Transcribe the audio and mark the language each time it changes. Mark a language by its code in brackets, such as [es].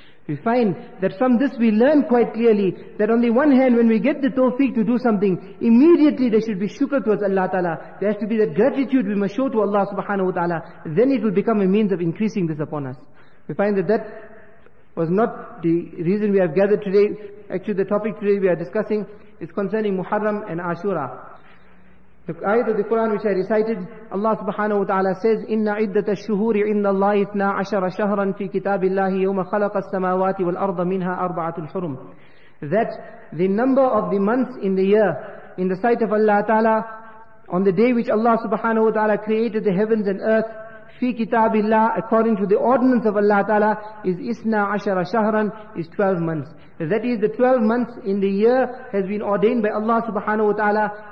[en] We find that from this we learn quite clearly that on the one hand, when we get the tawfiq to do something, immediately there should be shukr towards Allah Ta'ala. There has to be that gratitude we must show to Allah Subhanahu Wa Ta'ala. Then it will become a means of increasing this upon us. We find that that was not the reason we have gathered today. Actually, the topic today we are discussing is concerning Muharram and Ashura. The ayat of the Quran which I recited, Allah Subhanahu Wa Ta'ala says, [ar] إِنَّ عِدَّةَ الشُّهُورِ عِنَّ اللَّهِ 12 شَهْرًا فِي كِتَابِ اللَّهِ يَوْمَ خَلَقَ السَّمَاوَاتِ وَالْأَرْضَ مِنْهَا أَرْبَعَةُ الْحُرُمِ. [en] That the number of the months in the year, in the sight of Allah Ta'ala, on the day which Allah Subhanahu Wa Ta'ala created the heavens and earth, [ar] فِي كِتَابِ اللَّهِ, [en] according to the ordinance of Allah Ta'ala, is 12 شَهْرًا, is 12 months. That is, the 12 months in the year has been ordained by Allah Subhanahu Wa Ta'ala.